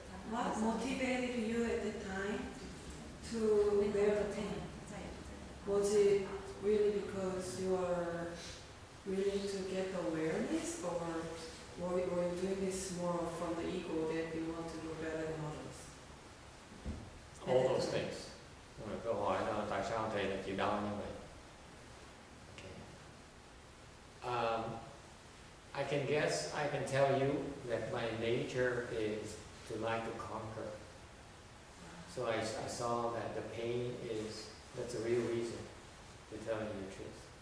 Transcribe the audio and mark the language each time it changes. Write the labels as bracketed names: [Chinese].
[English] What motivated you at the time to wear the tan? Was it really because you are willing to get awareness, or What you're doing is more from the ego that you want to do better than others. All those things. [Vietnamese] Mọi câu hỏi là tại sao thầy lại chịu đau như vậy? [English] I can guess, I can tell you that my nature is to like to conquer. So I saw that the pain is, that's a real reason to tell you the truth.